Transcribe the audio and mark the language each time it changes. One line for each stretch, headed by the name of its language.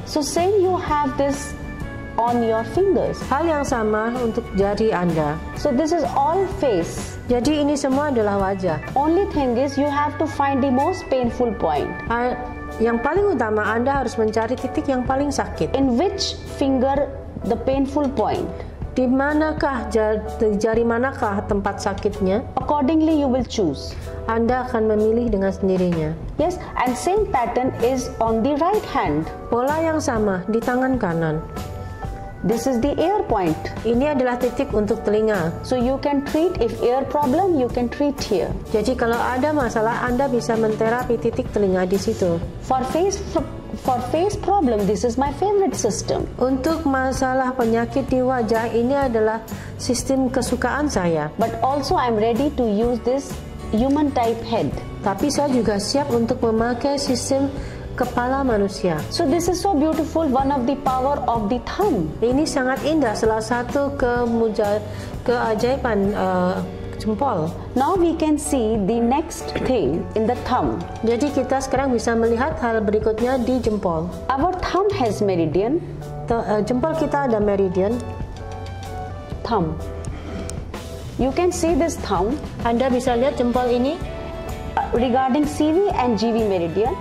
English: So say you have this on your fingers.
Indonesian: Hal yang sama untuk jari Anda.
English: So this is all face.
Indonesian: Jadi ini semua adalah wajah.
English: Only thing is you have to find the most painful point.
Indonesian: Yang paling utama Anda harus mencari titik yang paling sakit.
English: In which finger the painful point?
Indonesian: Di manakah jari manakah tempat sakitnya?
English: Accordingly you will choose.
Indonesian: Anda akan memilih dengan sendirinya.
English: Yes, and same pattern is on the right hand.
Indonesian: Pola yang sama di tangan kanan.
English: This is the ear point.
Indonesian: Ini adalah titik untuk telinga.
English: So you can treat if ear problem, you can treat here.
Indonesian: Jadi kalau ada masalah, Anda bisa menterapi titik telinga di situ.
English: For face problem, this is my favorite system.
Indonesian: Untuk masalah penyakit di wajah, ini adalah sistem kesukaan saya.
English: But also I'm ready to use this human type head.
Indonesian: Tapi saya juga siap untuk memakai sistem kepala manusia.
English: So this is so beautiful, one of the power of the thumb.
Indonesian: Ini sangat indah, salah satu keajaiban jempol.
English: Now we can see the next thing in the thumb.
Indonesian: Jadi kita sekarang bisa melihat hal berikutnya di jempol.
English: Our thumb has meridian.
Indonesian: Jempol kita ada meridian.
English: Thumb. You can see this thumb.
Indonesian: Anda bisa lihat jempol ini.
English: regarding CV and GV Meridian.